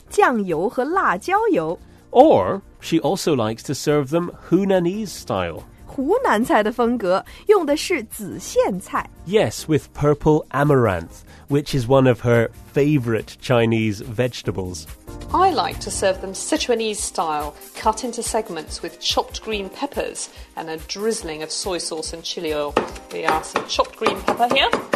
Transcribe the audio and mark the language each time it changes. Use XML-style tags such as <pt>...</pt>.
<zh>酱油和辣椒油。</zh> <en>Or she also likes to serve them Hunanese style.</en> <zh>湖南菜的风格用的是紫苋菜。</zh> <en>Yes, with purple amaranth, which is one of her favorite Chinese vegetables. I like to serve them Sichuanese style, cut into segments with chopped green peppers and a drizzling of soy sauce and chili oil. We have some chopped green pepper here.</en>